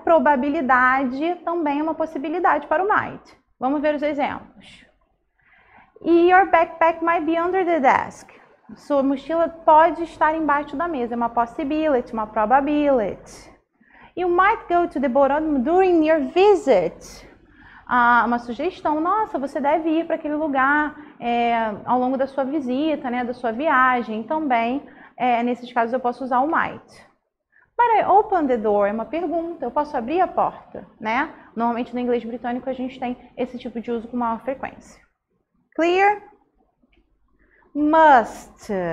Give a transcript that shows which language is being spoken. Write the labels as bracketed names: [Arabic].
[Portuguese] Probabilidade também é uma possibilidade para o might. Vamos ver os exemplos. [English] Your backpack might be under the desk. [Portuguese] Sua mochila pode estar embaixo da mesa. É uma possibility, uma probability. [English] You might go to the bodegon during your visit. [Portuguese] Ah, uma sugestão. Nossa, você deve ir para aquele lugar ao longo da sua visita, né, da sua viagem. Também, nesses casos, eu posso usar o might. [English] I open the door? [Portuguese] É uma pergunta. Eu posso abrir a porta, né? Normalmente no inglês britânico a gente tem esse tipo de uso com maior frequência. Clear? Must.